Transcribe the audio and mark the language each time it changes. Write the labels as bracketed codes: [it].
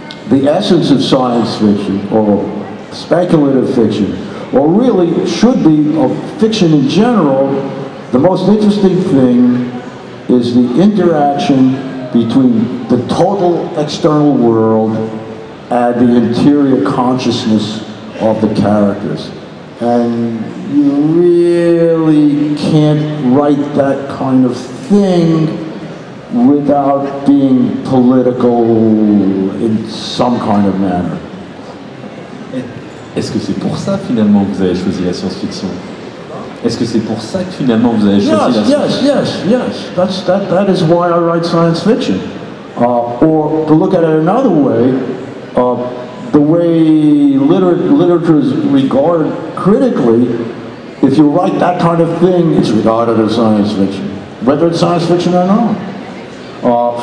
[en] the essence of science fiction or speculative fiction, or really should be of fiction in general, the most interesting thing is the interaction between the total external world add the interior consciousness of the characters. And you really can't write that kind of thing without being political in some kind of manner. [fr] Est-ce que c'est pour ça finalement que vous avez choisi la science-fiction? Est-ce que c'est pour ça que finalement vous avez choisi la science-fiction? [en] Yes. That is why I write science fiction. Or to look at it another way, the way literature is regarded critically, if you write that kind of thing, it's regarded as science fiction, whether it's science fiction or not.